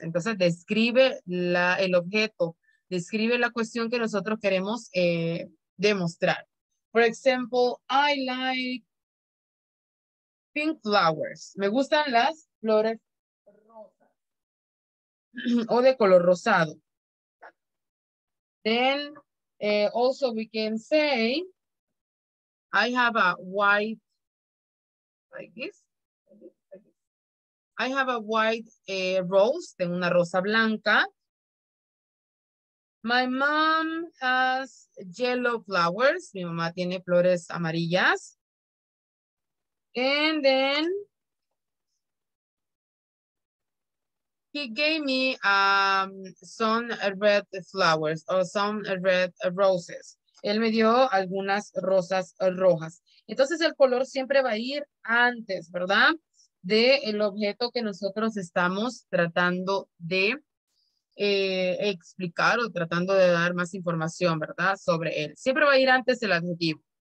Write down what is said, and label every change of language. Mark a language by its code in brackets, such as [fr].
[es] Entonces describe el objeto, describe la cuestión que nosotros queremos demostrar. [en] For example, I like pink flowers. [es] Me gustan las flores rosas o de color rosado. [en] Then also we can say I have a white like this. I have a white rose, [es] tengo una rosa blanca. [en] My mom has yellow flowers, [es] mi mamá tiene flores amarillas. [en] And then he gave me some red flowers or some red roses. [es] Él me dio algunas rosas rojas. Entonces el color siempre va a ir antes, ¿verdad? De el objeto que nosotros estamos tratando de explicar o tratando de dar más información, ¿verdad? Sobre él. Siempre va a ir antes el adjetivo.